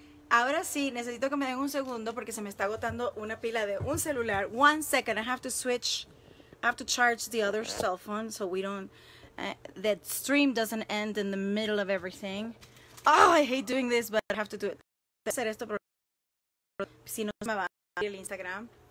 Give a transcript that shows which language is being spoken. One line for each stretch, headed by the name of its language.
Spanish: Ahora sí, necesito que me den un segundo porque se me está agotando una pila de un celular.
English: One second, I have to charge the other cell phone so we don't, that stream doesn't end in the middle of everything. Oh, I hate doing this, but I have to do it.
Spanish: Voy a hacer esto por si no me va a abrir el Instagram.